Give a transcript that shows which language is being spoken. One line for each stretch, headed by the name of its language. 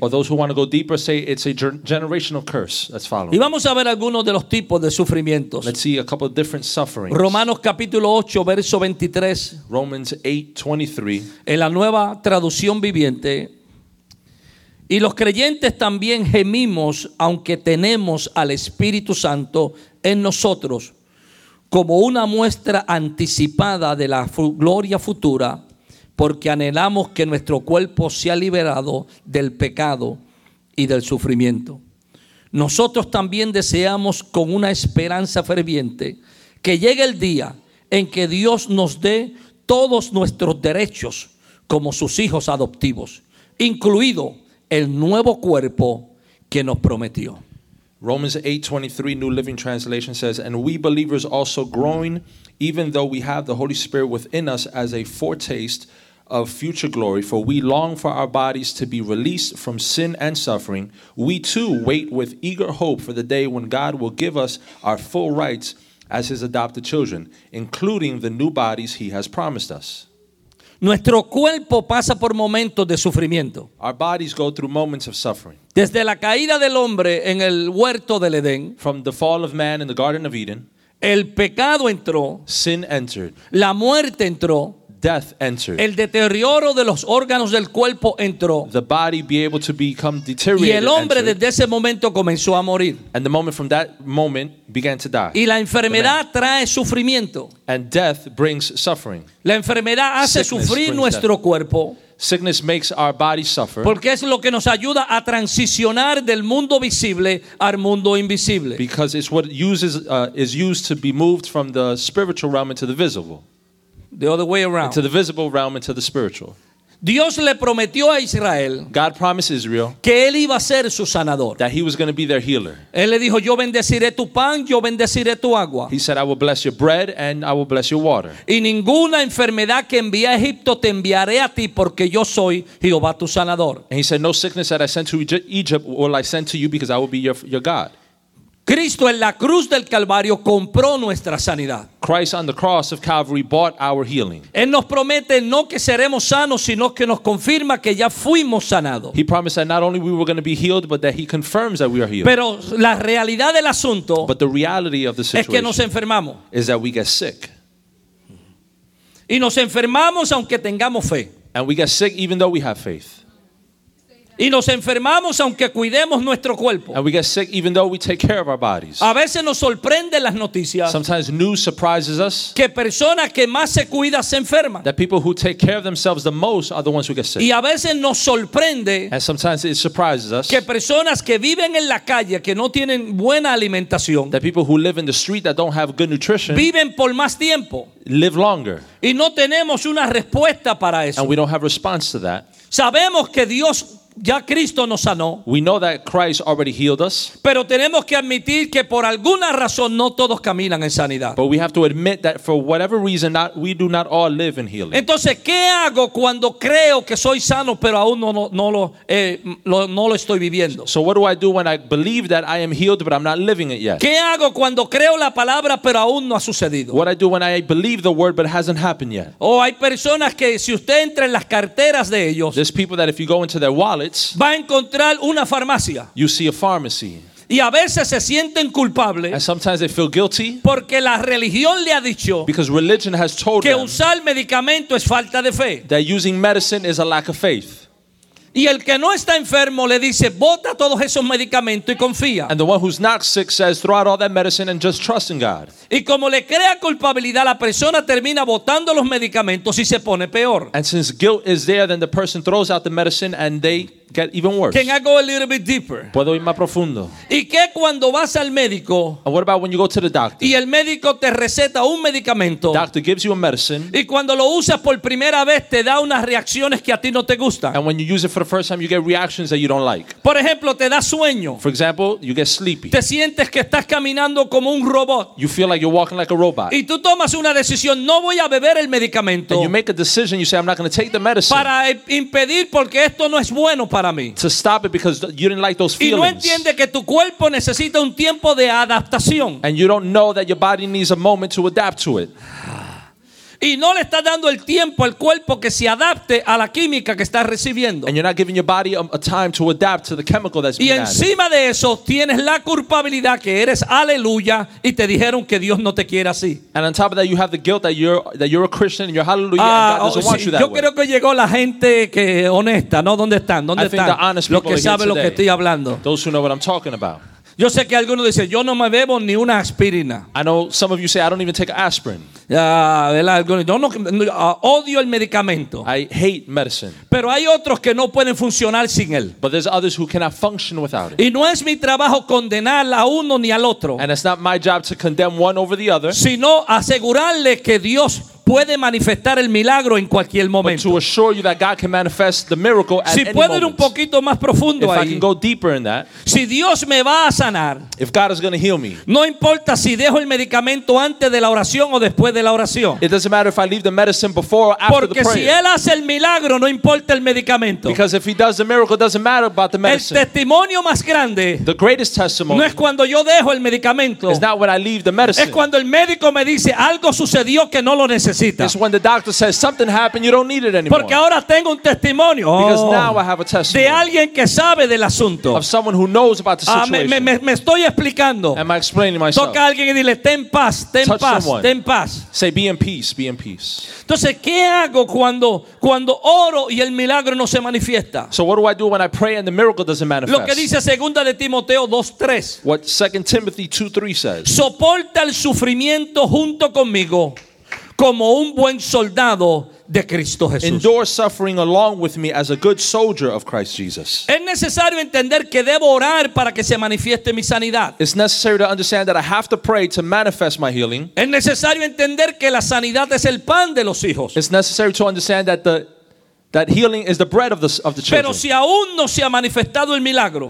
English: Or those who want to go deeper say it's a generational curse that's following.
Spanish: Y vamos a ver algunos de los tipos de sufrimientos.
English: Let's see a couple of different sufferings.
Spanish: Romanos capítulo 8 verso 23.
English: Romans 8:23.
Spanish: En la Nueva Traducción Viviente. Y los creyentes también gemimos, aunque tenemos al Espíritu Santo en nosotros, como una muestra anticipada de la gloria futura, porque anhelamos que nuestro cuerpo sea liberado del pecado y del sufrimiento. Nosotros también deseamos con una esperanza ferviente que llegue el día en que Dios nos dé todos nuestros derechos como sus hijos adoptivos, incluido el nuevo cuerpo que nos prometió.
English: Romans 8:23, New Living Translation says, and we believers also groan, even though we have the Holy Spirit within us as a foretaste of future glory, for we long for our bodies to be released from sin and suffering. We too wait with eager hope for the day when God will give us our full rights as his adopted children, including the new bodies he has promised us.
Spanish: Nuestro cuerpo pasa por momentos de sufrimiento.
English: Our bodies go through moments of suffering.
Spanish: Desde la caída del hombre en el huerto del Edén,
English: from the fall of man in the Garden of Eden,
Spanish: el pecado entró,
English: sin entered,
Spanish: la muerte entró,
English: death entered,
Spanish: el deterioro de los órganos del cuerpo entró,
English: the body be able to become deteriorated,
Spanish: y el hombre
English: entered,
Spanish: desde ese momento comenzó a morir,
English: and the moment from that moment began to die,
Spanish: y la enfermedad trae sufrimiento,
English: and death brings suffering,
Spanish: la enfermedad hace
English: sickness
Spanish: sufrir nuestro
English: death
Spanish: cuerpo.
English: Sickness makes our body suffer.
Spanish: Porque es lo que nos ayuda a transicionar del mundo visible al mundo invisible.
English: Because it's what is used to be moved from the spiritual realm into the visible. The other way around. Into the visible realm into the spiritual.
Spanish: Dios le prometió a Israel,
English: God promised Israel,
Spanish: que él iba a ser su sanador.
English: That he was going to be their healer.
Spanish: Él le dijo, yo bendeciré tu pan, yo bendeciré tu agua.
English: He said, I will bless your bread and I will bless your water.
Spanish: Y ninguna enfermedad que envíe a Egipto te enviaré a ti porque yo soy Jehová tu sanador.
English: And he said, no sickness that I sent to Egypt will I send to you because I will be your God.
Spanish: Cristo en la cruz del Calvario compró nuestra sanidad.
English: Christ on the cross of Calvary bought our healing.
Spanish: Él nos promete no que seremos sanos, sino que nos confirma que ya fuimos sanados.
English: He promised that not only we were going to be healed, but that he confirms that we are healed.
Spanish: Pero la realidad del asunto,
English: but the reality of the situation,
Spanish: es que nos enfermamos.
English: Is that we get sick.
Spanish: Y nos enfermamos aunque tengamos fe.
English: And we get sick even though we have faith.
Spanish: Y nos enfermamos aunque cuidemos nuestro cuerpo.
English: And we get sick even though we take care of our bodies.
Spanish: A veces nos sorprenden las noticias.
English: Sometimes news surprises us.
Spanish: Que personas que más se cuidan se enferman.
English: That people who take care of themselves the most are the ones who get sick.
Spanish: Y a veces nos sorprende.
English: And sometimes it surprises us.
Spanish: Que personas que viven en la calle que no tienen buena alimentación.
English: That people who live in the street that don't have good nutrition.
Spanish: Viven por más tiempo.
English: Live longer.
Spanish: Y no tenemos una respuesta para eso.
English: And we don't have response to that.
Spanish: Sabemos que Dios ya Cristo nos sanó.
English: We know that Christ already healed us.
Spanish: Pero tenemos que admitir que por alguna razón no todos caminan en sanidad.
English: But we have to admit that for whatever reason not, we do not all live in healing.
Spanish: Entonces, ¿qué hago cuando creo que soy sano pero aún no lo estoy viviendo?
English: So what do I do when I believe that I am healed but I'm not living it yet?
Spanish: ¿Qué hago cuando creo la palabra pero aún no ha sucedido?
English: What I do when I believe the word but it hasn't happened yet?
Spanish: O hay personas que si usted entra en las carteras de ellos,
English: there's people that if you go into their wallet,
Spanish: va a encontrar una farmacia.
English: You see a pharmacy.
Spanish: Y a veces se sienten culpables.
English: And sometimes they feel guilty.
Spanish: Porque la religión le ha dicho.
English: Because religion has told
Spanish: que usar medicamento es falta de fe.
English: That using medicine is a lack of faith.
Spanish: Y el que no está enfermo le dice, bota todos esos medicamentos y confía.
English: And the one who's not sick says, throw out all that medicine and just trust in God.
Spanish: Y como le crea culpabilidad, la persona termina botando los medicamentos y se pone peor.
English: And since guilt is there, then the person throws out the medicine and they get even worse. Can I go a little bit deeper?
Spanish: ¿Puedo ir más profundo? ¿Y qué cuando vas al médico?
English: And what about when you go to the doctor?
Spanish: Y el médico te receta un medicamento.
English: The doctor gives you a medicine.
Spanish: Y cuando lo usas por primera vez te da unas reacciones que a ti no te gustan.
English: And when you use it for the first time you get reactions that you don't like.
Spanish: Por ejemplo, te da sueño.
English: For example, you get sleepy.
Spanish: Te sientes que estás caminando como un robot.
English: You feel like you're walking like a robot.
Spanish: Y tú tomas una decisión, no voy a beber el medicamento.
English: And you make a decision, you say I'm not going to take the medicine.
Spanish: Para impedir porque esto no es bueno para
English: to stop it because you didn't like those feelings.
Spanish: Y no entiende que tu cuerpo necesita un tiempo de adaptación.
English: And you don't know that your body needs a moment to adapt to it.
Spanish: Y no le está dando el tiempo al cuerpo que se adapte a la química que está recibiendo.
English: And you're not giving your body a time to adapt to the chemical that's being added.
Spanish: Y encima de eso tienes la culpabilidad que eres aleluya y te dijeron que Dios no te quiere así.
English: And on top of that you have the guilt that you're a Christian and you're hallelujah and God doesn't want you that
Spanish: yo
English: way.
Spanish: Creo que llegó la gente que honesta, ¿no? ¿Dónde están? ¿Dónde
English: I
Spanish: están? Lo que sabe
English: today,
Spanish: lo que estoy hablando.
English: Those who know what I'm talking about.
Spanish: Yo sé que algunos dicen, yo no me bebo ni una aspirina.
English: I know some of you say, I don't even take aspirin.
Spanish: Odio el medicamento.
English: I hate medicine.
Spanish: Pero hay otros que no pueden funcionar sin él.
English: But there's others who cannot function without it.
Spanish: Y no es mi trabajo condenar a uno ni al otro.
English: And it's not my job to condemn one over the other.
Spanish: Sino asegurarle que Dios puede manifestar el milagro en cualquier momento.
English: But to assure you that God can manifest the miracle at any moment.
Spanish: Si puedo ir un poquito más profundo
English: if
Spanish: ahí.
English: If I can go deeper in that.
Spanish: Si Dios me va a sanar.
English: If God is going to heal me.
Spanish: No importa si dejo el medicamento antes de la oración o después de la oración.
English: It doesn't matter if I leave the medicine before or after
Spanish: porque
English: the prayer.
Spanish: Porque si Él hace el milagro, no importa el medicamento.
English: Because if He does the miracle, it doesn't matter about the medicine.
Spanish: El testimonio más grande.
English: The greatest testimony.
Spanish: No es cuando yo dejo el medicamento.
English: It's not when I leave the medicine.
Spanish: Es cuando el médico me dice algo sucedió que no lo necesito.
English: It's when the doctor says something happened, you don't need it anymore.
Spanish: Porque ahora tengo un testimonio.
English: Because now I have a testimony.
Spanish: De alguien que sabe del asunto.
English: Of someone who knows about the situation.
Spanish: Me estoy explicando.
English: Am I explaining myself?
Spanish: Toca a alguien y dile, ten paz, ten
English: touch
Spanish: paz,
English: someone.
Spanish: Ten paz.
English: Say, be in peace, be in peace.
Spanish: Entonces, ¿qué hago cuando oro y el milagro no se manifiesta?
English: So what do I do when I pray and the miracle doesn't manifest?
Spanish: Lo que dice 2 de Timoteo 2:3.
English: What 2 Timothy 2:3 says.
Spanish: Soporta el sufrimiento junto conmigo. Como un buen soldado de Cristo Jesús.
English: Endure suffering along with me as a good soldier of Christ Jesus.
Spanish: Es necesario entender que debo orar para que se manifieste mi sanidad.
English: It's necessary to understand that I have to pray to manifest my healing.
Spanish: Es necesario entender que la sanidad es el pan de los hijos.
English: It's necessary to understand that that healing is the bread of the children.
Spanish: Pero si aún no se ha manifestado el milagro,